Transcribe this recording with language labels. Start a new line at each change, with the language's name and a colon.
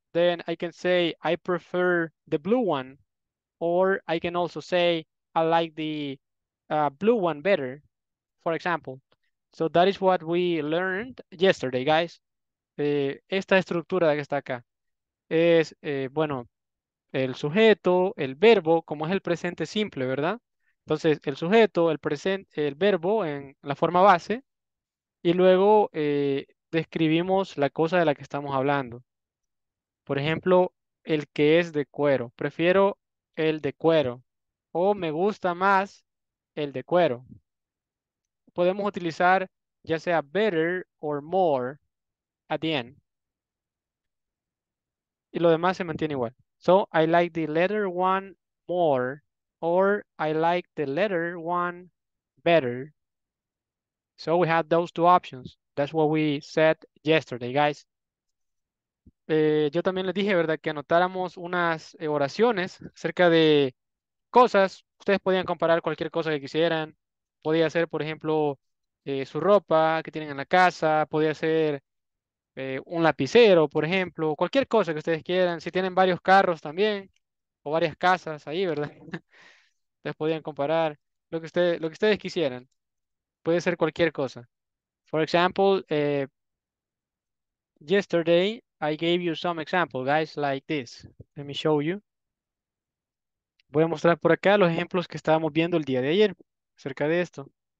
English: Then I can say I prefer the blue one, or I can also say I like the blue one better, for example. So that is what we learned yesterday, guys.
Spanish: Esta estructura que está acá es, bueno, el sujeto, el verbo, como es el presente simple, ¿verdad? Entonces, el sujeto, el presente, el verbo en la forma base, y luego describimos la cosa de la que estamos hablando. Por ejemplo, el que es de cuero. Prefiero el de cuero. O me gusta más el de cuero. Podemos utilizar ya sea
English: better or more at the end.
Spanish: Y lo demás se mantiene igual.
English: So, I like the letter one more. Or I like the letter one better. So, we have those two options. That's what we said yesterday, guys.
Spanish: Yo también les dije, ¿verdad?, que anotáramos unas oraciones acerca de cosas. Ustedes podían comparar cualquier cosa que quisieran. Podía ser, por ejemplo, su ropa que tienen en la casa. Podía ser un lapicero, por ejemplo. Cualquier cosa que ustedes quieran. Si tienen varios carros también o varias casas ahí, ¿verdad? Ustedes podían comparar lo que ustedes quisieran. Puede ser cualquier cosa.
English: For example, yesterday I gave you some example, guys, like this. Let me show you.
Spanish: Voy a mostrar por acá los ejemplos que estábamos viendo el día de ayer acerca de esto.